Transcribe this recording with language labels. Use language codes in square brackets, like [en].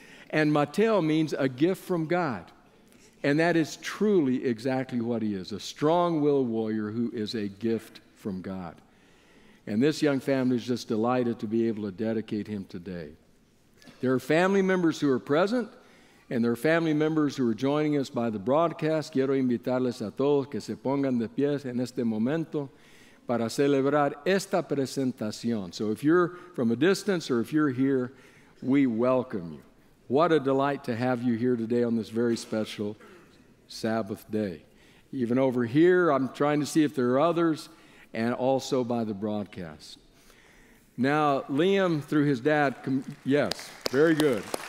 [en] And Mateo means a gift from God. And that is truly exactly what he is, a strong-willed warrior who is a gift from God. And this young family is just delighted to be able to dedicate him today. There are family members who are present, and there are family members who are joining us by the broadcast. [es] Quiero invitarles a todos que se pongan de pie en este momento para celebrar esta presentación. [en] So if you're from a distance or if you're here, we welcome you. What a delight to have you here today on this very special Sabbath day. Even over here, I'm trying to see if there are others, and also by the broadcast. Now, Liam, through his dad, yes, very good.